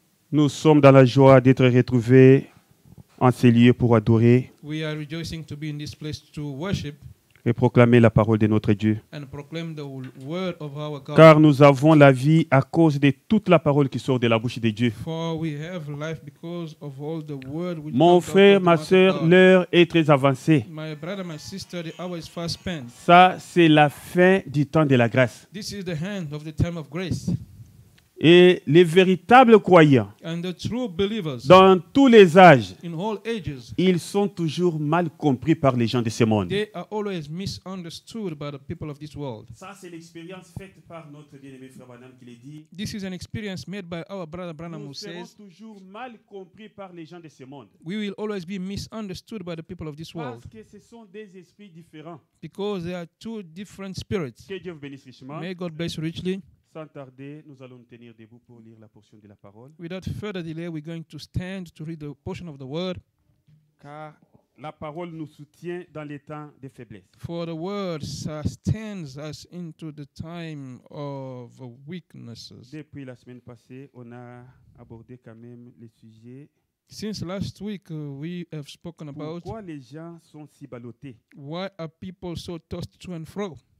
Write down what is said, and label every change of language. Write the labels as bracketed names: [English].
[French] Nous sommes dans la joie d'être retrouvés en ces lieux pour adorer. [English] We are rejoicing to be in this place to worship [French] et proclamer la parole de notre Dieu. [English] And proclaim the word of our God. [French] Car nous avons la vie à cause de toute la parole qui sort de la bouche de Dieu. [English] For we have life because of all the word which [French] Mon frère, ma sœur, l'heure est très avancée. [English] My brother, my sister, the hour is fast spent. [French] Ça, c'est la fin du temps de la grâce. [English] This is the end of the time of grace. [French] Et les véritables croyants, [English] and the true believers, [French] dans tous les âges, [English] in all ages, [French] ils sont toujours mal compris par les gens de ce monde. [English] They are always misunderstood by the people of this world. [French] Ça, c'est l'expérience faite par notre bien-aimé frère Branham qui l'a dit. [English] This is an experience made by our brother Branham, [French] nous [English] who says, [French] nous serons toujours mal compris par les gens de ce monde. [English] We will always be misunderstood by the people of this world. [French] Parce que ce sont des esprits différents. [English] Because they are two different spirits. [French] Que Dieu vous bénisse richement. [English] May God bless you richly. [French] Sans tarder, nous allons tenir debout pour lire la portion de la parole. [English] Without further delay, we're going to stand to read the portion of the word. [French] Car la parole nous soutient dans les temps de faiblesse. [English] For the word sustains us into the time of weaknesses. [French] Depuis la semaine passée, on a abordé quand même les sujets. [English] Since last week, we have spoken [French] Pourquoi [English] about. [French] Les gens sont si ballottés? [English] Why are people so tossed to and fro?